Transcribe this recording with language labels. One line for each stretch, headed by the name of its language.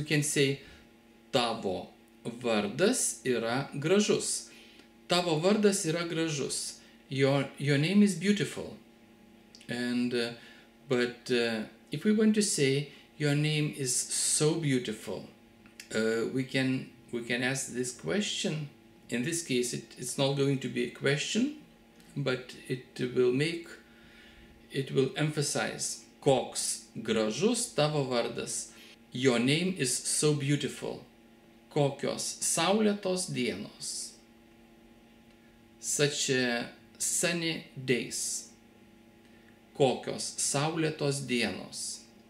English: We can say
Lithuanian: tavo vardas yra gražus. Tavo vardas yra gražus.
English: Your name is beautiful. And if we want to say your name is so beautiful, we can ask this question. In this case, it's not going to be a question, but it will emphasize.
Lithuanian: Koks gražus tavo vardas.
English: Your name is so beautiful.
Lithuanian: Kokios saulėtos dienos.
English: Such sunny days.
Lithuanian: Kokios saulėtos dienos.